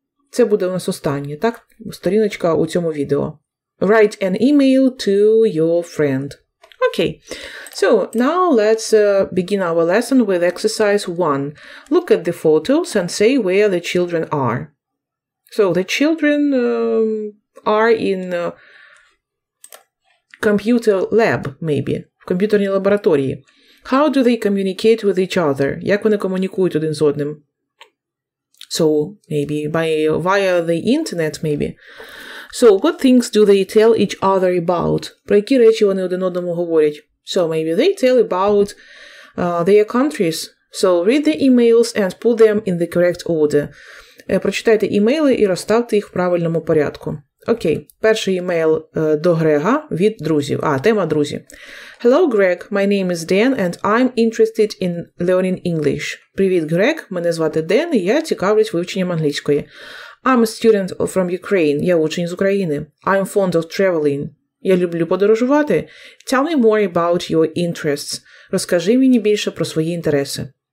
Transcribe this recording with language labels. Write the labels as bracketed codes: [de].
[uk] Це буде у нас останнє, так? Сторіночка у цьому відео. [en] Write an email to your friend. Okay, so now let's begin our lesson with exercise 1. Look at the photos and say where the children are. So the children are in computer lab, maybe, [uk] в комп'ютерній лабораторії. [en] How do they communicate with each other? [uk] Як вони комунікують один з одним? [en] So maybe via the internet, maybe. So, what things do they tell each other about? [uk] Про які речі вони один одному говорять? [en] So, maybe they tell about their countries. So, read the emails and put them in the correct order. [uk] Прочитайте емейли і розставте їх в правильному порядку. Окей, перший емейл до Грега від друзів. А, тема друзі. [en] Hello, Greg. My name is Dan and I'm interested in learning English. [uk] Привіт, Грег. Мене звати Ден і я цікавлюсь вивченням англійської. [en] I'm a student from Ukraine. [uk] Я учень з України. [en] I'm fond of traveling. [uk] Я люблю подорожувати. [en] Tell me more about your interests. [uk] Розкажи мені більше про свої інтереси.